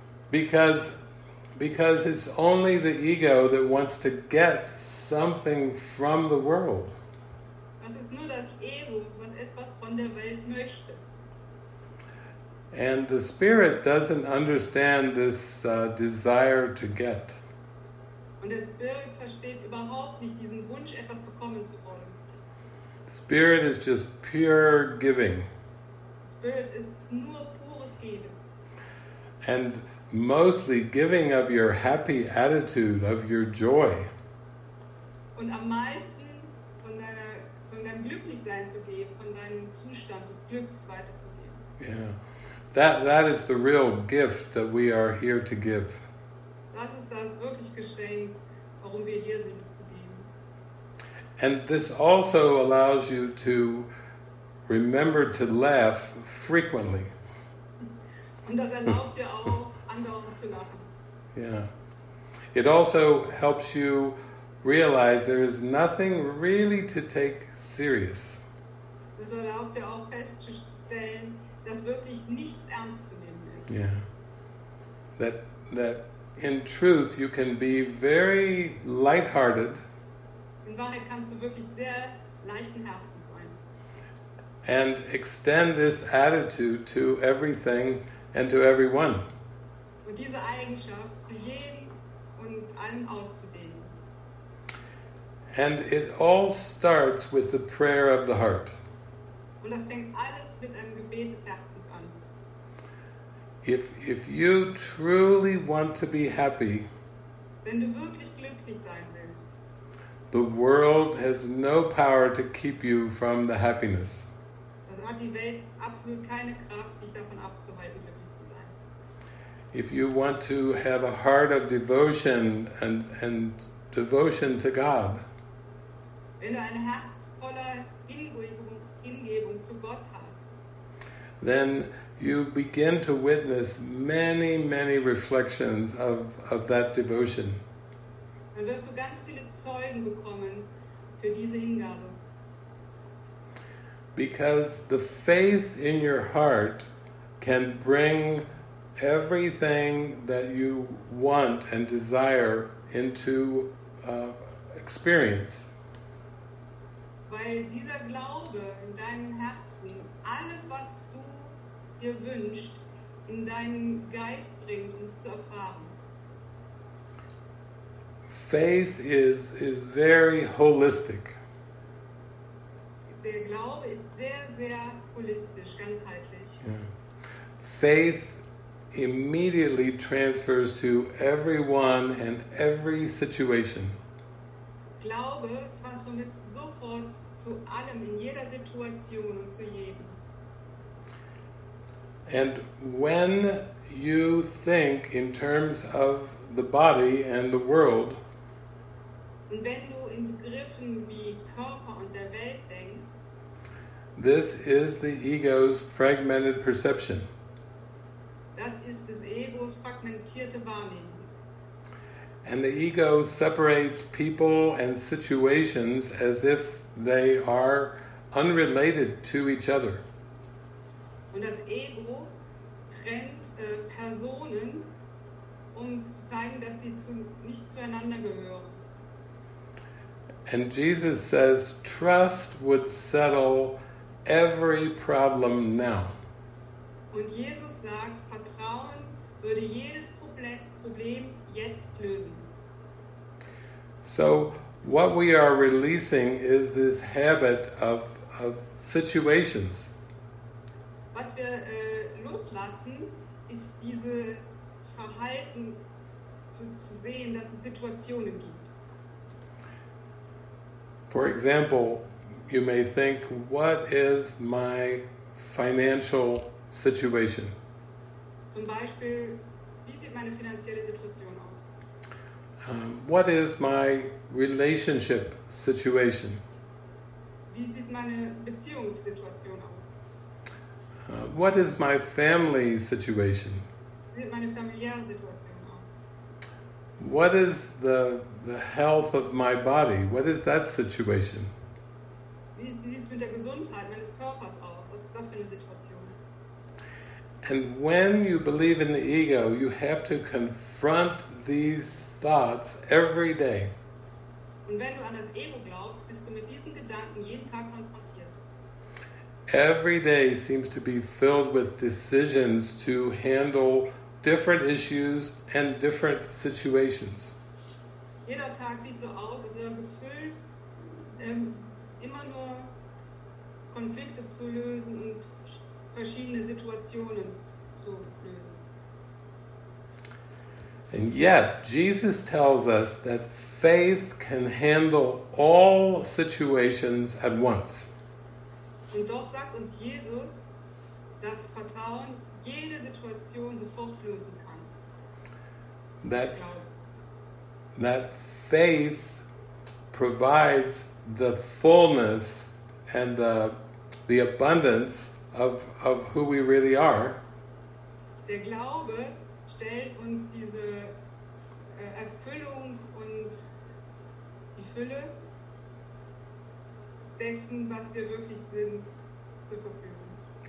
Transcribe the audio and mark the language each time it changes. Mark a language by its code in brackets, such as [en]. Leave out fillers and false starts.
[en] Because it's only the ego that wants to get something from the world. [de] Das ist nur das Ego, was etwas von der Welt möchte. [en] And the spirit doesn't understand this desire to get. [de] Und der Spirit versteht überhaupt nicht diesen Wunsch, etwas bekommen zu wollen. [en] Spirit is just pure giving. [de] Spirit ist nur pures Geben. [en] And mostly giving of your happy attitude, of your joy. [de] Und am meisten von deinem Glücklichsein zu geben, von deinem Zustand des Glücks weiterzugeben. [en] Yeah, that is the real gift that we are here to give. [de] Das ist das wirklich Geschenk, warum wir hier sind, es zu geben. [en] And this also allows you to remember to laugh frequently. [de] Und das erlaubt dir auch, andauernd zu lachen. [en] Yeah. It also helps you realize there is nothing really to take serious. [de] Das erlaubt dir auch festzustellen, dass wirklich nichts ernst zu nehmen ist. [en] Yeah. That in truth you can be very lighthearted. [de] In Wahrheit kannst du wirklich sehr leichten Herzens sein. [en] And extend this attitude to everything and to everyone. [de] Und diese Eigenschaft zu jedem und allem auszudrücken. [en] And it all starts with the prayer of the heart. [de] Und das fängt alles mit einem Gebet des Herzens an. [en] If you truly want to be happy, [de] wenn du wirklich glücklich sein willst, [en] the world has no power to keep you from the happiness. [de] Dann hat die Welt absolut keine Kraft, dich davon abzuhalten, glücklich zu sein. [en] If you want to have a heart of devotion and devotion to God, [de] wenn du ein Herz voller Hingebung zu Gott hast, [en] then you begin to witness many, many reflections of that devotion. [de] Dann wirst du ganz viele Zeugen bekommen für diese Hingabe. [en] Because the faith in your heart can bring everything that you want and desire into experience. [de] weil dieser Glaube in deinem Herzen alles, was du dir wünschst, in deinen Geist bringt, um es zu erfahren. [en] Faith is very holistic. [de] Der Glaube ist sehr, sehr holistisch, ganzheitlich. [en] Yeah. Faith immediately transfers to everyone and every situation. [de] Glaube transformiert sofort zu allem, in jeder Situation und zu jedem. [en] And when you think in terms of the body and the world, [de] und wenn du in Begriffen wie Körper und der Welt denkst, [en] this is the ego's fragmented perception. [de] Das ist des Egos fragmentierte Wahrnehmung. [en] And the ego separates people and situations as if they are unrelated to each other. [de] Und das Ego trennt Personen, um zu zeigen, dass sie nicht zueinander gehören. [en] And Jesus says, trust would settle every problem now. [de] Und Jesus sagt, Vertrauen würde jedes Problem jetzt lösen. [en] So what we are releasing is this habit of situations. [de] Was wir loslassen, ist diese Verhalten zu sehen, dass es Situationen gibt. [en] For example, you may think, what is my financial situation? [de] Zum Beispiel, wie sieht meine finanzielle Situation aus? [en] What is my relationship situation? [de] Wie sieht meine Beziehungssituation aus? [en] What is my family situation? [de] Wie sieht meine familiäre Situation aus? [en] What is the health of my body? What is that situation? [de] Wie sieht es mit der Gesundheit meines Körpers aus? Was ist das für eine Situation? [en] And when you believe in the ego, you have to confront these thoughts every day. [de] Und wenn du an das Ego glaubst, bist du mit diesen Gedanken jeden Tag konfrontiert. [en] Every day seems to be filled with decisions to handle different issues and different situations. [de] Jeder Tag sieht so aus, als wäre gefüllt, immer nur Konflikte zu lösen und verschiedene Situationen zu lösen. [en] And yet, Jesus tells us that faith can handle all situations at once. [de] Und doch sagt uns Jesus, dass Vertrauen jede Situation sofort lösen kann. [en] That faith provides the fullness and the abundance of who we really are. [de] Der Glaube stellt uns diese Erfüllung und die Fülle dessen, was wir wirklich sind, zur Verfügung.